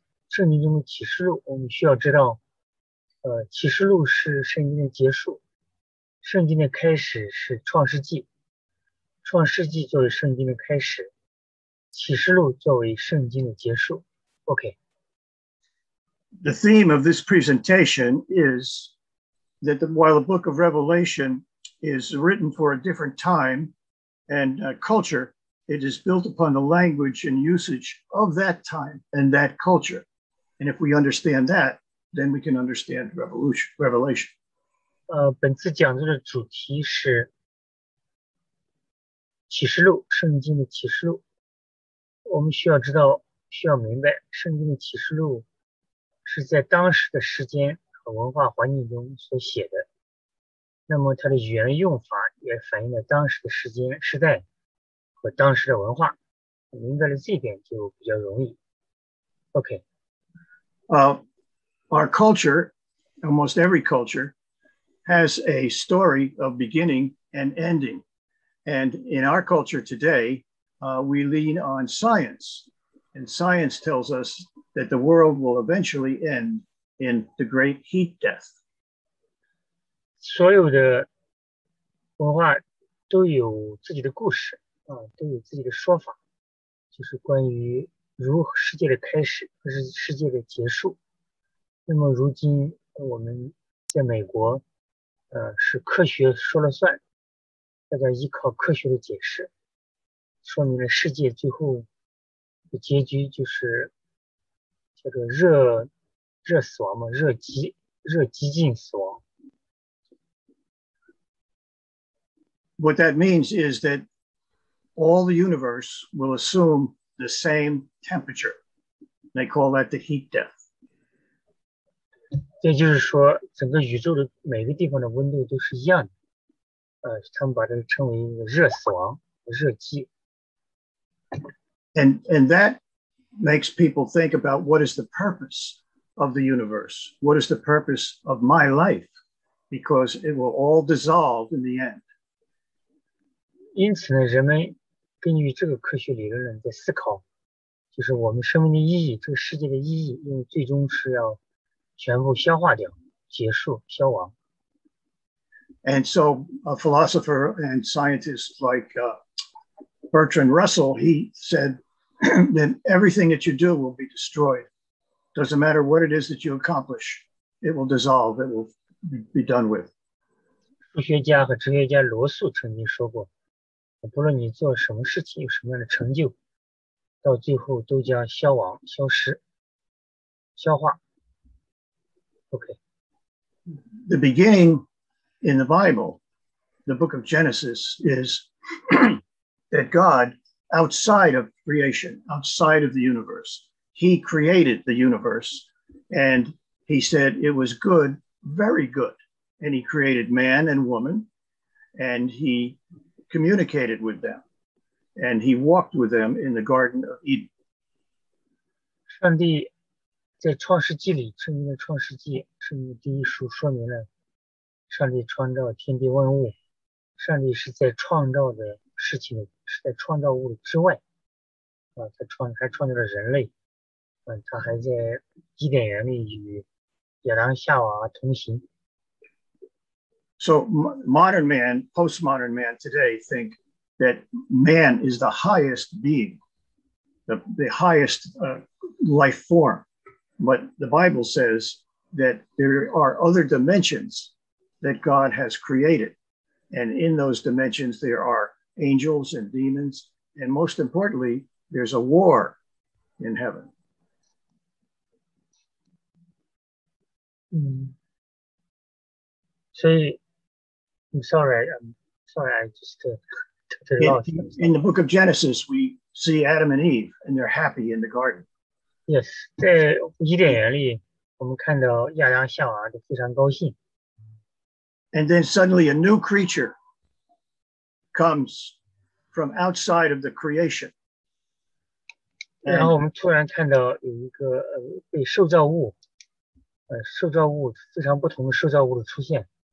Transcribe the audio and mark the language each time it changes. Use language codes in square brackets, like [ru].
[zh] 圣经中的启示录，我们需要知道，启示录是圣经的结束，圣经的开始是创世纪，创世纪作为圣经的开始，启示录作为圣经的结束。 OK. [en] The theme of this presentation is that while the book of Revelation is written for a different time and culture, it is built upon the language and usage of that time and that culture. And if we understand that, then we can understand Revelation. [zh] 本次讲座的主题是启示录，圣经的启示录。我们需要知道，需要明白，圣经的启示录是在当时的时间和文化环境中所写的。那么它的语言用法也反映了当时的时间、时代和当时的文化。明白了这点就比较容易。 OK. [en] Our culture, almost every culture, has a story of beginning and ending. And in our culture today, we lean on science. And science tells us that the world will eventually end in the great heat death. [zh] 所有的文化都有自己的故事，都有自己的说法，就是关于如世界的开始和世界的结束。那么如今我们在美国是科学说了算，大家依靠科学的解释，说明了世界最后的结局就是叫做热死亡嘛，热极尽死亡。 [en] What that means is that all the universe will assumeThe same temperature. They call that the heat death. [zh] 也就是说，整个宇宙的每个地方的温度都是一样的。他们把这个称为一个热死亡、热寂。 [en] And that makes people think about what is the purpose of the universe? What is the purpose of my life? Because it will all dissolve in the end. [zh] 因此呢，人们根据这个科学理论在思考，就是我们生命的意义，这个世界的意义，因为最终是要全部消化掉，结束，消亡。 [en] And so a philosopher and scientist like Bertrand Russell, he said that everything that you do will be destroyed. Doesn't matter what it is that you accomplish, it will dissolve, it will be done with. [zh] 数学家和哲学家罗素曾经说过，不论你做什么事情，有什么样的成就，到最后都将消亡、消失、消化。 OK. [en] The beginning in the Bible, the book of Genesis, is that God, outside of creation, outside of the universe, He created the universe, and He said it was good, very good, and He created man and woman, and He. Communicated with them, and he walked with them in the Garden of Eden. [zh] 上帝在创世纪里，圣经的创世纪，圣经第一书说明了上帝创造天地万物，上帝是在创造的事情，是在创造物之外，他创造了人类，他还在伊甸园里与亚当夏娃同行。 [en] So modern man, postmodern man today think that man is the highest being, the highest life form. But the Bible says that there are other dimensions that God has created. And in those dimensions, there are angels and demons. And most importantly, there's a war in heaven. [zh] 所以, [en] I'm sorry, I just lost. In the book of Genesis, we see Adam and Eve, and they're happy in the garden. [zh] Yes, 在伊甸园里，我们看到亚当夏娃都非常高兴。 [en] And then suddenly a new creature comes from outside of the creation. [zh] 然后我们突然看到有一个被受造物，受造物非常不同的受造物的出现。